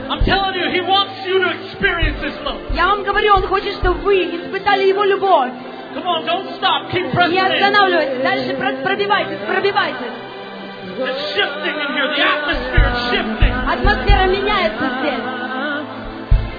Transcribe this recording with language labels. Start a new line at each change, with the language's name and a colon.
English: I'm telling you, he wants you to experience his love.
Russian: Я вам говорю, он хочет, чтобы вы испытали его любовь.
English: Come on, don't stop. Keep pressing.
Russian: Не останавливайтесь. Дальше пробивайтесь.
English: It's shifting in here. The atmosphere is shifting.
Russian: Атмосфера меняется здесь.